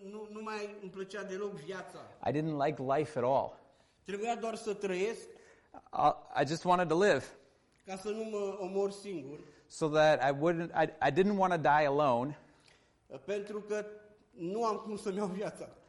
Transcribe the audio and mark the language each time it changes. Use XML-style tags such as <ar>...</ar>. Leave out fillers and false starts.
<ro>Nu mai îmi plăcea deloc viața.</ro> <en>I didn't like life at all.</en> <ro>Trebuia doar să trăiesc.</ro> <en>I just wanted to live.</en> <ro>Ca să nu mă omor singur.</ro> <en>So that I didn't want to die alone.</en> <ro>Pentru că nu am cum să-mi iau viața.</ro>